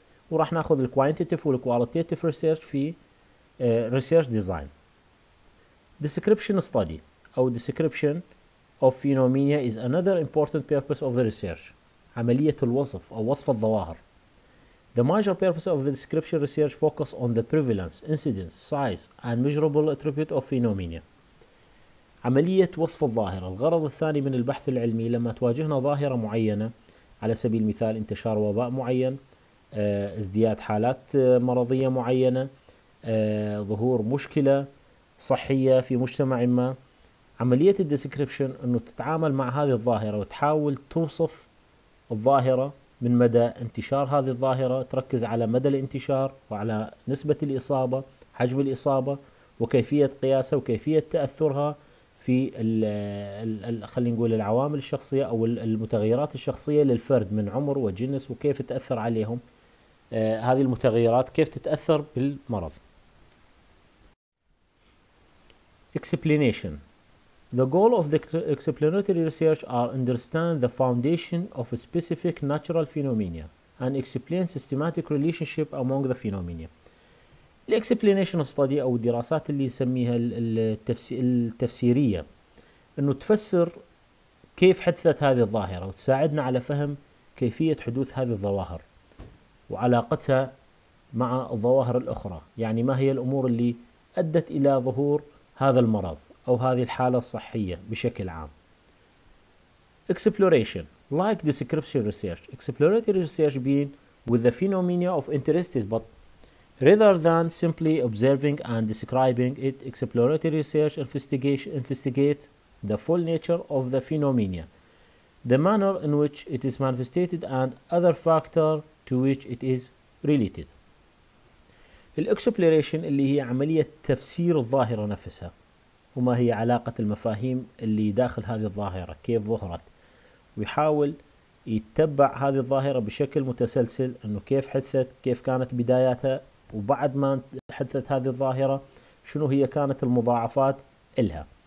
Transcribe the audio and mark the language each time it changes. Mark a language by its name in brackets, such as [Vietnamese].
[Arabic] وراح ناخذ الكوانتيتيف والكواليتيتيف ريسيرش في ريسيرش ديزاين. [English] description study أو description of phenomena as another important purpose of the research, [Arabic] عملية الوصف أو وصف الظواهر. [English] The major purpose of the description research focus on the prevalence, incidence, size and measurable attribute of phenomena. [Arabic] عملية وصف الظاهرة، الغرض الثاني من البحث العلمي لما تواجهنا ظاهرة معينة، على سبيل المثال انتشار وباء معين، ازدياد حالات مرضية معينة، ظهور مشكلة صحية في مجتمع ما، عملية الديسكريبشن انه تتعامل مع هذه الظاهرة وتحاول توصف الظاهرة من مدى انتشار هذه الظاهرة، تركز على مدى الانتشار وعلى نسبة الإصابة، حجم الإصابة، وكيفية قياسها وكيفية تأثرها في خلينا نقول العوامل الشخصية أو المتغيرات الشخصية للفرد من عمر وجنس، وكيف تأثر عليهم هذه المتغيرات، كيف تتأثر بالمرض. [English] Explanation. The goal of the explanatory research are understand the foundation of a specific natural phenomena and explain systematic relationship among the phenomena. The explanation study [Arabic] أو الدراسات اللي نسميها التفسيرية، أنه تفسر كيف حدثت هذه الظاهرة وتساعدنا على فهم كيفية حدوث هذه الظواهر وعلاقتها مع الظواهر الأخرى، يعني ما هي الأمور اللي أدت إلى ظهور هذا المرض أو هذه الحالة الصحية بشكل عام. [English] Exploration like description research. Exploratory research being with the phenomena of interest but rather than simply observing and describing it, exploratory research investigate the full nature of the phenomena, the manner in which it is manifested and other factor to which it is related. [Arabic] الإكسبلوريشن اللي هي عملية تفسير الظاهرة نفسها، وما هي علاقة المفاهيم اللي داخل هذه الظاهرة، كيف ظهرت، ويحاول يتبع هذه الظاهرة بشكل متسلسل، انه كيف حدثت، كيف كانت بداياتها، وبعد ما حدثت هذه الظاهرة شنو هي كانت المضاعفات إلها.